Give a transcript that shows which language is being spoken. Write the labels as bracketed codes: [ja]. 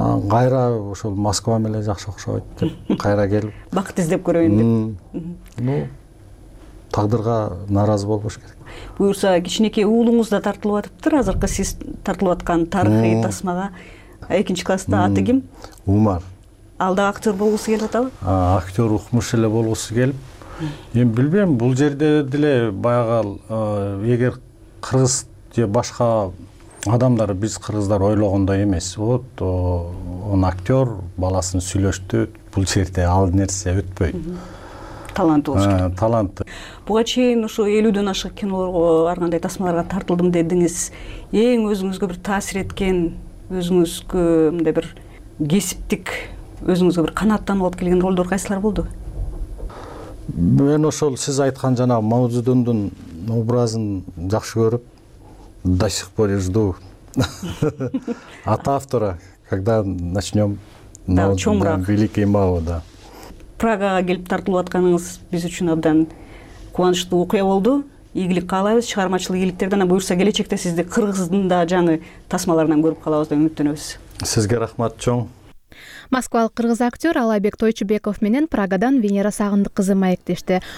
[ky] Кайра ошол Москва менен эле жакшы окшойт деп кайра келип бакыт издеп көрөйүн деп. Тагдырга нааразы болбош керек. Буюрса, кичинекей уулуңуз да тартылып атыптыр азыркы сиз тартылып аткан тарыхый тасмага. Экинчи класста аты ким? Умар. Ал да актёр болгусу келип атабы? Актёр укмуш эле болгусу келип. Эми билбейм, бул жерде деле баягы эгер кыргыз же башка адамдар, биз кыргыздар ойлогондой эмес. [ru] Вот, он актёр, [ky] баласын сүйлөштү, бул жерде ал нерсе өтпөйт. Талант болуш керек. Талантты. Буга чейин ушу 50дөн ашык киноларга аргандай тасмаларга тартылдым дедиңиз. Эң өзүңүзгө бир таасир эткен, өзүңүзгө мындай бир кесиптик, өзүңүзгө бир канааттанып алып келген ролдор кайсылар болду? Мен ошол сиз айткан жанагы Маузудундун образын жакшы көрүп [ru] до сих пор жду от автора, когда начнем великий Мао, да. [ky] Прагага келип тартылып атканыңыз биз үчүн абдан кубанычтуу окуя болду. Ийгилик каалайбыз, чыгармачылык ийгиликтерден, буюрса келечекте сизди кыргыздын да жаңы тасмаларынан көрүп калабыз деп үмүттөнөбүз. Сизге рахмат чоң. Москвалык кыргыз актер Алайбек Тойчубеков менен Прагадан Венера Сагындык кызы маектешти.